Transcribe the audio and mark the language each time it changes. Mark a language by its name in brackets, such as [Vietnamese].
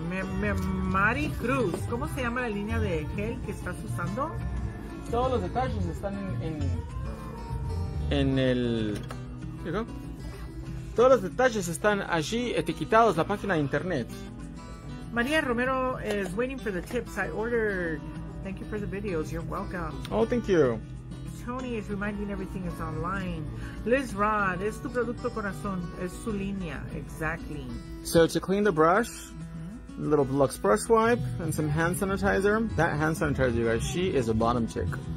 [Spanish] Mari Cruz, ¿cómo se llama la línea de gel que estás usando? Todos los detalles están en el. [English] Here you go. [Spanish] Todos los detalles están allí etiquetados, la página de internet. [English] Maria Romero is waiting for the tips I ordered. Thank you for the videos. You're welcome. Oh, thank you. Tony is reminding everything is online. [Spanish] Liz Rod, es tu producto corazón, es su línea. [English] Exactly. So to clean the brush, mm-hmm. Little Lux brush wipe and some hand sanitizer. That hand sanitizer, you guys, she is a bottom chick.